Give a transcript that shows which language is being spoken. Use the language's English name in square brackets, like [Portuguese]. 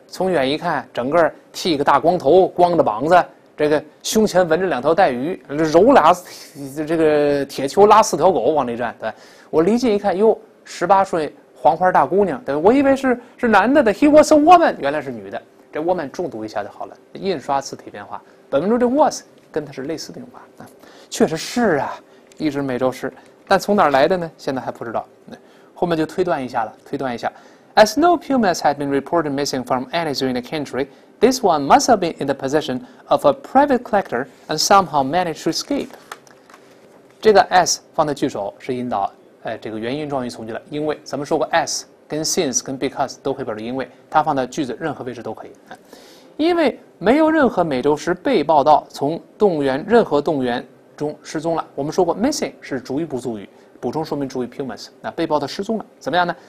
[Chinese] 从远一看，整个剃个大光头，光着膀子，这个胸前纹着两条带鱼，揉俩这个铁锹拉四条狗往里站。对，我离近一看，哟，18岁黄花大姑娘，对，我以为是男的的 ， [English] He was a woman， [Chinese] 原来是女的。这 woman 重读一下就好了。印刷字体变化，本文中这 was 跟它是类似的用法啊，确实是啊。一只美洲狮，但从哪儿来的呢？现在还不知道。后面就推断一下了，推断一下。 [English] As no pumas had been reported missing from any zoo in the country, this one must have been in the possession of a private collector and somehow managed to escape. [Chinese] 这个 as 放在句首是引导，这个原因状语从句了。因为咱们说过 ，as 跟 since 跟 because 都可以表示因为，它放在句子任何位置都可以。因为没有任何美洲狮被报道从动物园任何动物园。中失踪了，我们说过 missing 是主语补足语，补充说明主语 pumas， 那被报的失踪了怎么样呢？